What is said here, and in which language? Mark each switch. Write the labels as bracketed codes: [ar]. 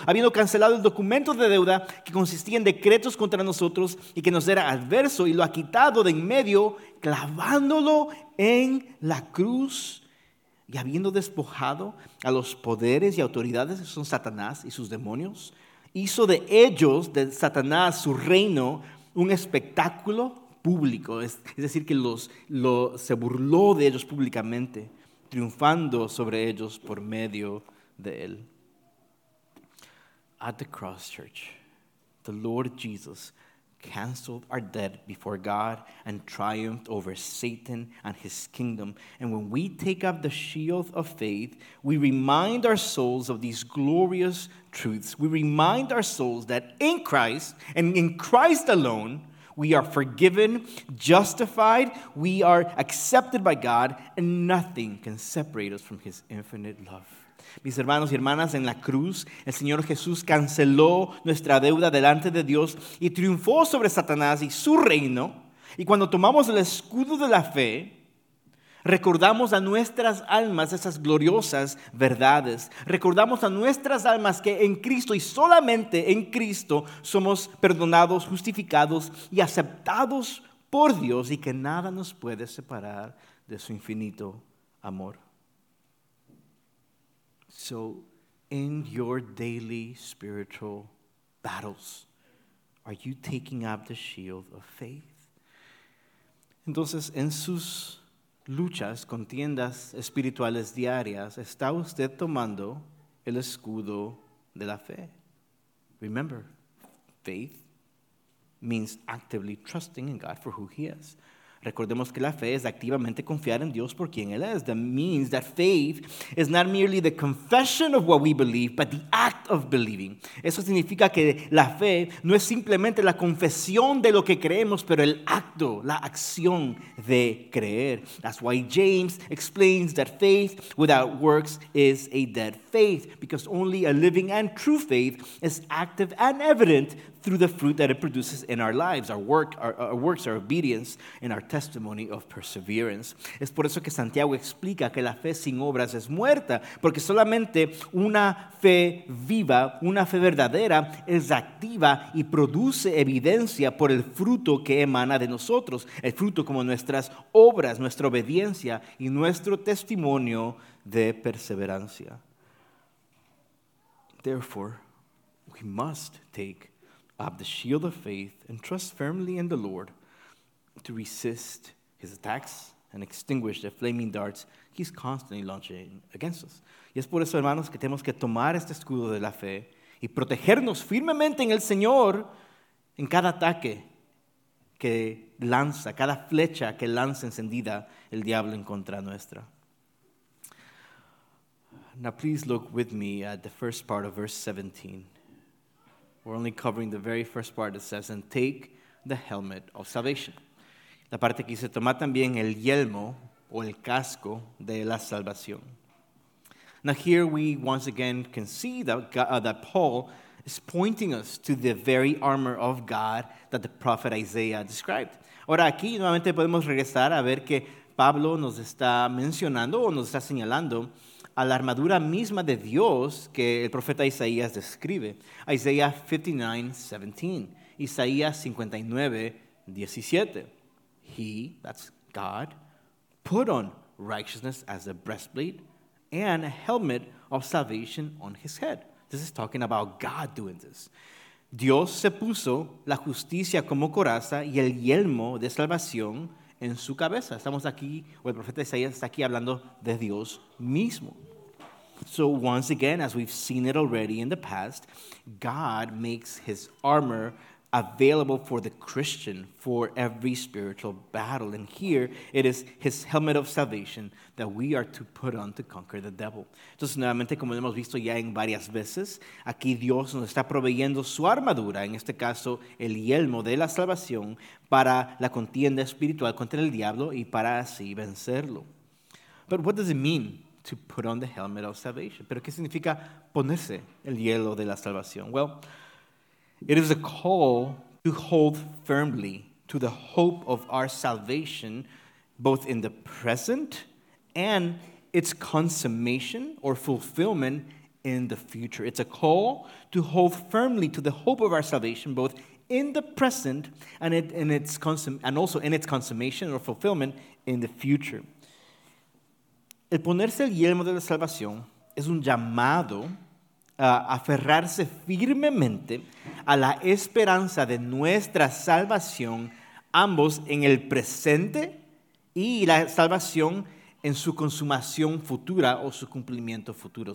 [es] Habiendo cancelado el documento de deuda que consistía en decretos contra nosotros y que nos era adverso, y lo ha quitado de en medio, clavándolo en la cruz, y habiendo despojado a los poderes y autoridades, son Satanás y sus demonios, hizo de ellos, de Satanás, su reino, un espectáculo público. Es decir, que se burló de ellos públicamente, triunfando sobre ellos por medio de él. [en] At the cross, church, the Lord Jesus canceled our debt before God and triumphed over Satan and his kingdom. And when we take up the shield of faith, we remind our souls of these glorious truths. We remind our souls that in Christ and in Christ alone, we are forgiven, justified, we are accepted by God, and nothing can separate us from his infinite love. [es] Mis hermanos y hermanas, en la cruz, el Señor Jesús canceló nuestra deuda delante de Dios y triunfó sobre Satanás y su reino. Y cuando tomamos el escudo de la fe, recordamos a nuestras almas esas gloriosas verdades. Recordamos a nuestras almas que en Cristo y solamente en Cristo somos perdonados, justificados y aceptados por Dios, y que nada nos puede separar de su infinito amor. [en] So, in your daily spiritual battles, are you taking up the shield of faith? [es] Entonces, en sus luchas, contiendas espirituales diarias, ¿está usted tomando el escudo de la fe? [en] Remember, faith means actively trusting in God for who he is. [es] Recordemos que la fe es activamente confiar en Dios por quien Él es. [en] That means that faith is not merely the confession of what we believe, but the act of believing. [es] Eso significa que la fe no es simplemente la confesión de lo que creemos, pero el acto, la acción de creer. [en] That's why James explains that faith without works is a dead faith, because only a living and true faith is active and evident through the fruit that it produces in our lives, our work, our works, our obedience, and our testimony of perseverance. [es] Es por eso que Santiago explica que la fe sin obras es muerta, porque solamente una fe viva, una fe verdadera, es activa y produce evidencia por el fruto que emana de nosotros, el fruto como nuestras obras, nuestra obediencia y nuestro testimonio de perseverancia. [en] Therefore, we must take up the shield of faith and trust firmly in the Lord to resist his attacks and extinguish the flaming darts he's constantly launching against us. [es] Y es por eso, hermanos, que tenemos que tomar este escudo de la fe y protegernos firmemente en el Señor en cada ataque que lanza, cada flecha que lanza encendida el diablo en contra nuestra. [en] Now please look with me at the first part of verse 17. We're only covering the very first part that says, and take the helmet of salvation. [es] La parte que dice, toma también el yelmo o el casco de la salvación. [en] Now here we once again can see that Paul is pointing us to the very armor of God that the prophet Isaiah described. [es] Ahora aquí nuevamente podemos regresar a ver que Pablo nos está mencionando o nos está señalando a la armadura misma de Dios que el profeta Isaías describe. Isaiah 59:17. Isaías 59, 17. [en] He, that's God, put on righteousness as a breastplate and a helmet of salvation on his head. This is talking about God doing this. [es] Dios se puso la justicia como coraza y el yelmo de salvación en su cabeza. Estamos aquí, o el profeta Isaías está aquí hablando de Dios mismo. [en] So once again, as we've seen it already in the past, God makes his armor available for the Christian for every spiritual battle. And here, it is his helmet of salvation that we are to put on to conquer the devil. [es] Entonces, nuevamente, como lo hemos visto ya en varias veces, aquí Dios nos está proveyendo su armadura, en este caso, el yelmo de la salvación, para la contienda espiritual contra el diablo y para así vencerlo. [en] But what does it mean to put on the helmet of salvation? [es] ¿Pero qué significa ponerse el yelmo de la salvación? [en] Well, it is a call to hold firmly to the hope of our salvation, both in the present and its consummation or fulfillment in the future. It's a call to hold firmly to the hope of our salvation, both in the present and also in its consummation or fulfillment in the future. [es] El ponerse el yelmo de la salvación es un llamado a aferrarse firmemente a la esperanza de nuestra salvación, ambos en el presente y la salvación en su consumación futura o su cumplimiento futuro.